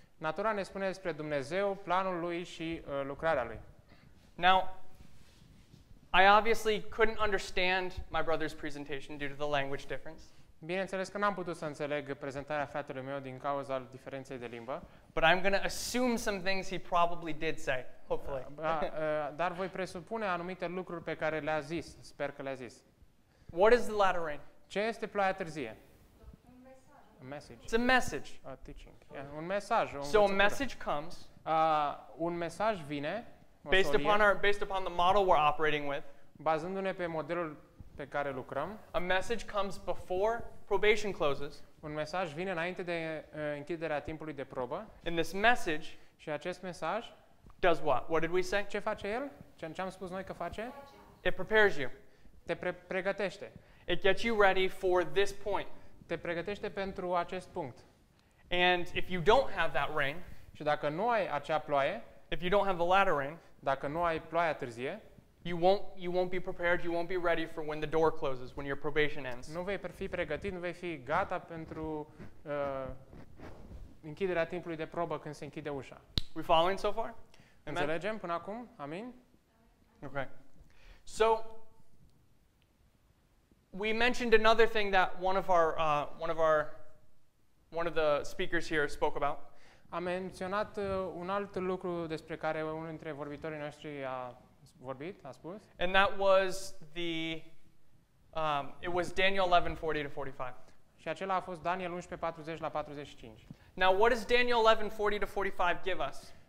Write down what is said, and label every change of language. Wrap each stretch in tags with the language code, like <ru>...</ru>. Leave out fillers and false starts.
<ro>Natura ne spune despre Dumnezeu, planul lui și lucrarea lui.</ro> <en>Now, I obviously couldn't understand my brother's presentation due to the language difference.</en> <ro>Bineînțeles că n-am putut să înțeleg prezentarea fratelui meu din cauza diferenței de limbă.</ro> <en>But I'm going to assume some things he probably did say, hopefully.</en> <ro>Dar voi presupune anumite lucruri pe care le-a zis, sper că le-a zis.</ro> <en>What is the latter rain?</en> <ro>Ce este ploaia târzie?</ro> <en>A message. It's a message. A teaching. Yeah,</en> <ro>un mesaj.</ro> <en>So a message comes.</en> <ro>Un mesaj vine.</ro> <en>Based upon the model we're operating with.</en> <ro>Bazându-ne pe modelul pe care lucrăm.</ro> <en>A message comes before probation closes.</en> <ro>Un mesaj vine înainte de închiderea timpului de probă.</ro> <en>And this message.</en> <ro>Și acest mesaj.</ro> <en>Does what? What did we say?</en> <ro>Ce face el? Ce am spus noi că face?</ro> <en>It prepares you.</en> <ro>Te pregătește.</ro> <en>It gets you ready for this point.</en> <ro>Te pregătește pentru acest punct.</ro> <en>And if you don't have that rain,</en> <ro>și dacă nu ai acea ploaie,</ro> <en>if you don't have the latter rain,</en> <ro>dacă nu ai ploaia târzie,</ro> <en>you won't be prepared, you won't be ready for when the door closes, when your probation ends.</en> <ro>Nu vei fi pregătit, nu vei fi gata pentru închiderea timpului de probă când se închide ușa.</ro> <en>We following so far?</en> <ro>Înțelegem Amen. Până acum? Amin.</ro> <en>Okay. So we mentioned another thing that one of our one of the speakers here spoke about.</en> <ro>A menționat un alt lucru despre care unul dintre vorbitorii noștri a vorbit, a spus.</ro> <en>And that was the it was Daniel 11:40-45.</en> <ro>Și acela a fost Daniel 11:40-45.</ro> <en>Now what does Daniel 11:40-45 give us?</en>